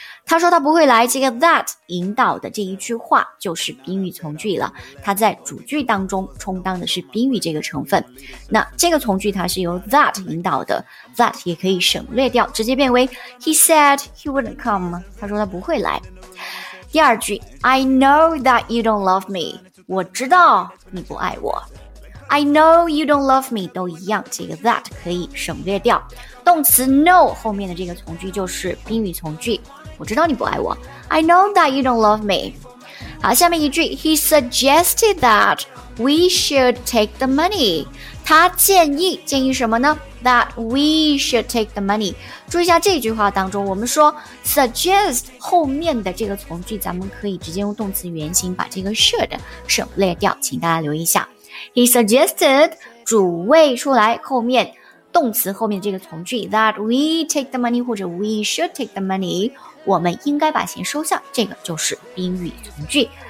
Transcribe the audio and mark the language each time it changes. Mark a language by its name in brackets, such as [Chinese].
[Chinese] 他说他不会来，这个 that 引导的这一句话就是宾语从句了，他在主句当中充当的是宾语这个成分。那这个从句它是由 that 引导的， that 也可以省略掉，直接变为 [English] he said he wouldn't come， [Chinese] 他说他不会来。 [English] 第二句， I know that you don't love me， [Chinese] 我知道你不爱我。 [English] I know you don't love me [Chinese] 都一样，这个 that 可以省略掉，动词 know 后面的这个从句就是宾语从句，我知道你不爱我。 [English] I know that you don't love me。 [Chinese] 好，下面一句， [English] He suggested that we should take the money， [Chinese] 他建议什么呢？ [English] That we should take the money。 [Chinese] 注意一下这句话当中，我们说 suggest 后面的这个从句咱们可以直接用动词原形把这个 should 省略掉，请大家留意一下。 [English] He suggested [Chinese] 主谓出来，后面动词后面这个从句 [English] That we take the money [Chinese] 或者 [English] we should take the money， [Chinese] 我们应该把钱收下，这个就是宾语从句。